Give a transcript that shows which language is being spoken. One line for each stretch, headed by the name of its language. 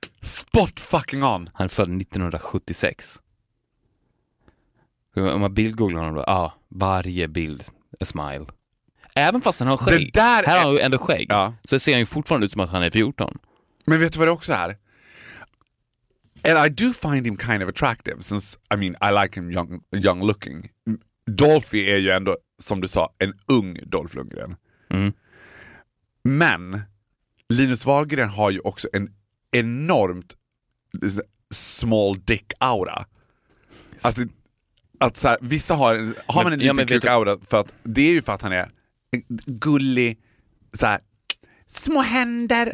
English: Spot fucking on.
Swedish: Han är född 1976. Om man bildgooglar honom då. Ja, varje bild är smile. Även fast han har skägg. Där här är... har han ju ändå skägg. Ja. Så ser han ju fortfarande ut som att han är 14. Men vet du vad det också är?
English: And I do find him kind of attractive. Since, I mean, I like him young looking.
Swedish: Dolphy är ju ändå, som du sa, en ung Dolph Lundgren. Mm. Men Linus Wahlgren har ju också en enormt
English: small dick aura.
Swedish: Alltså, att så här, vissa har men, man en liten ja, kuk aura för att det är ju för att han är gullig, så här, små händer.